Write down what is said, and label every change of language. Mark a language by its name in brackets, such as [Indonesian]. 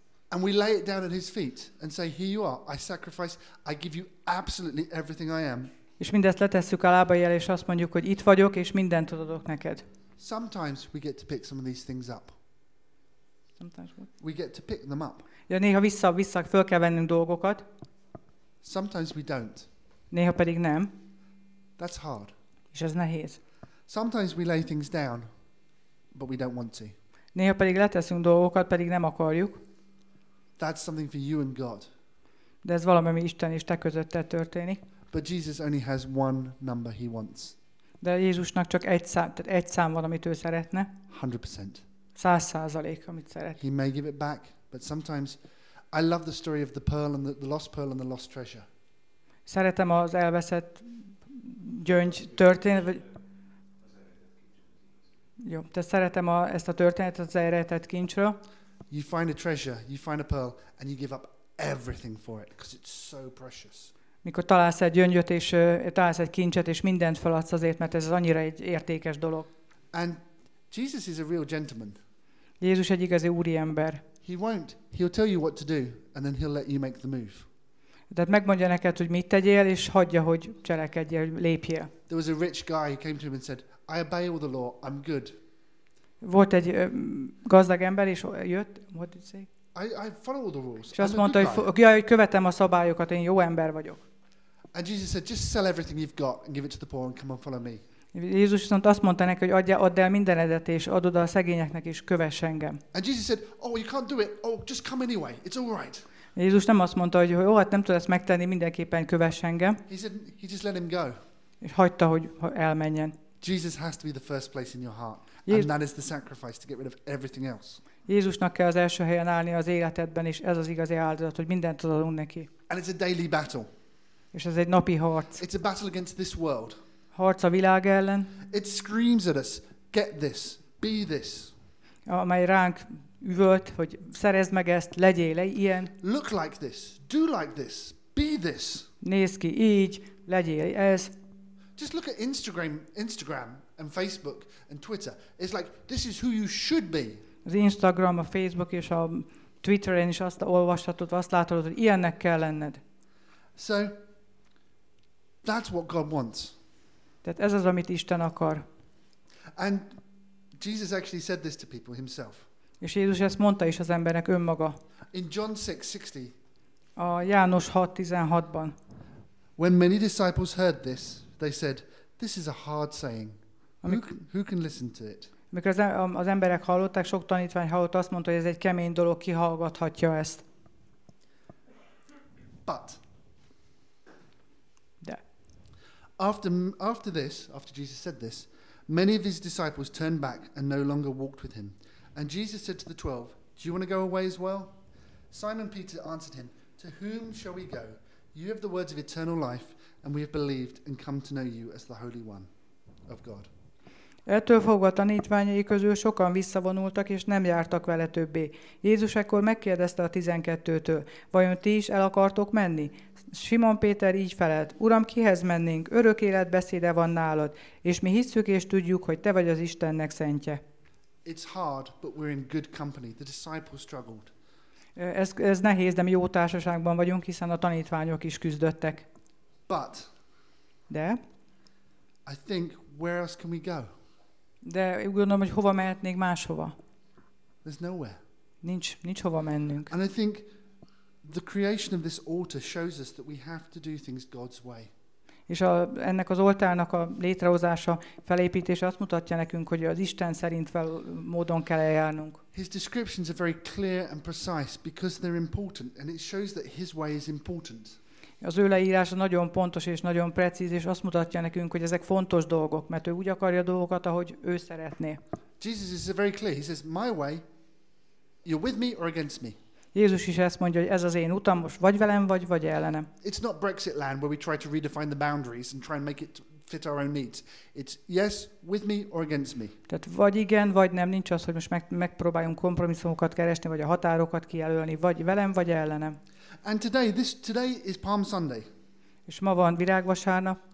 [English] And we lay it down at his feet and say, here you are, I sacrifice, I give you absolutely everything I am. [Hungarian] És mindezt letesszük a lábai elé, és azt mondjuk, hogy itt vagyok, és mindent adok neked. [English] Sometimes we get to pick some of these things up. Sometimes what? We get to pick them up. [Hungarian] Ja, néha vissza föl kell vennünk dolgokat. [English] Sometimes we don't. [Hungarian] Néha pedig nem. [English] That's hard. [Hungarian] És ez nehéz. [English] Sometimes we lay things down, but we don't want to. [Hungarian] Néha pedig leteszünk dolgokat, pedig nem akarjuk. [English] That's something for you and God. [Hungarian] De ez valami, ami Isten és te közötted történik. [English] But Jesus only has one number he wants. [Hungarian] De Jézusnak csak egy szám van, amit ő szeretne. [English] 100%. [Hungarian] 100%, amit szeret. [English] He may give it back, but sometimes I love the story of the pearl and the lost pearl and the lost treasure. [Hungarian] Szeretem az elveszett gyöngy történetet. Vagy... Jó, de szeretem ezt a történetet, az elrejtett kincsről. [English] You find a treasure, you find a pearl, and you give up everything for it because it's so precious. [Hungarian] Mikor találsz egy gyöngyöt és találsz egy kincset és mindent feladsz azért, mert ez az annyira egy értékes dolog. [English] And Jesus is a real gentleman. [Hungarian] Jézus egy igazi úriember. [English] He won't. He'll tell you what to do, and then he'll let you make the move. [Hungarian] De megmondja neked, hogy mit tegyél, és hagyja, hogy cselekedjél, lépjél. [English] There was a rich guy who came to him and said, "I obey all the law. I'm good." [Hungarian] Volt egy gazdag ember, és jött. [English] What did you say? I follow all the rules. [Hungarian] És azt mondta, hogy követem a szabályokat, én jó ember vagyok. [English] And Jesus said, just sell everything you've got and give it to the poor and come and follow me. [Hungarian] Jézus viszont azt mondta neki, hogy add el mindenedet és add oda a szegényeknek és kövess engem. [English] And Jesus said, oh, you can't do it. Oh, just come anyway. It's all right. [Hungarian] Jézus nem azt mondta, hogy jó, hát nem tud ezt megtenni, mindenképpen kövess engem. [English] He said, he just let him go. [Hungarian] És hagyta, hogy elmenjen. [English] Jesus has to be the first place in your heart. And that is the sacrifice to get rid of everything else. [Hungarian] Jézusnak kell az első helyen állni az életedben, és ez az igazi áldozat, hogy mindent adunk neki. [English] And it's a daily battle. [Hungarian] És ez egy napi harc. [English] It's a battle against this world. [Hungarian] Harc a világ ellen. [English] It screams at us, get this, be this. [Hungarian] Amely ránk üvölt, hogy szerezd meg ezt, legyél ilyen. [English] Look like this, do like this, be this. [Hungarian] Nézz ki így, legyél ez. [English] Just look at Instagram and Facebook and Twitter. It's like, this is who you should be. [Hungarian] Az Instagram, a Facebook és a Twitteren is azt olvashatod, azt látod, hogy ilyennek kell lenned. [English] So, that's what God wants. [Hungarian] Tehát ez az, amit Isten akar. [English] And Jesus actually said this to people himself. [Hungarian] És Jézus ezt mondta is az embernek önmaga. [English] In John 6:60. [Hungarian] A János 6:16-ban. [English] When many disciples heard this, they said, this is a hard saying. Who can listen to it? [Hungarian] Mikor az emberek hallották, sok tanítvány hallott, azt mondta, hogy ez egy kemény dolog, ki hallgathatja ezt. [English] But. [Hungarian] De. [English] After Jesus said this, many of his disciples turned back and no longer walked with him. And Jesus said to the 12, do you want to go away as well? Simon Peter answered him, to whom shall we go? You have the words of eternal life, and we have believed and come to know you as the Holy One of God. [Hungarian] Ettől fogva tanítványai közül sokan visszavonultak, és nem jártak vele többé. Jézus ekkor megkérdezte a 12-től, vajon ti is el akartok menni? Simon Péter így felelt, Uram, kihez mennénk? Örök élet beszéde van nálad, és mi hisszük és tudjuk, hogy te vagy az Istennek szentje. [English] It's hard, but we're in good company. The disciples struggled. [Hungarian] Ez nehéz, de mi jó társaságban vagyunk, hiszen a tanítványok is küzdöttek. [English] But, [Hungarian] de? [English] I think, where else can we go? [Hungarian] De úgy gondolom, hogy hova mehetnék máshova. [English] There's nowhere. [Hungarian] Nincs hova mennünk. [English] And I think the creation of this altar shows us that we have to do things God's way. [Hungarian] És ennek az oltárnak a létrehozása, felépítése azt mutatja nekünk, hogy az Isten szerint módon kell eljárnunk. [English] His descriptions are very clear and precise because they're important and it shows that his way is important. [Hungarian] az ő leírása nagyon pontos és nagyon precíz, és azt mutatja nekünk, hogy ezek fontos dolgok, mert ő úgy akarja dolgokat, ahogy ő szeretné. [English] Jesus is very clear. He says, my way, you're with me or against me. [Hungarian] Jézus is ezt mondja, hogy ez az én utam, most vagy velem, vagy ellenem. [English] It's not Brexit land where we try to redefine the boundaries and try and make it fit our own needs. It's yes, with me or against me. [Hungarian] Tehát vagy igen, vagy nem, nincs az, hogy most megpróbáljunk kompromisszumokat keresni, vagy a határokat kijelölni, vagy velem, vagy ellenem. [English] And today is Palm Sunday. [Hungarian] És ma van virágvasárnap.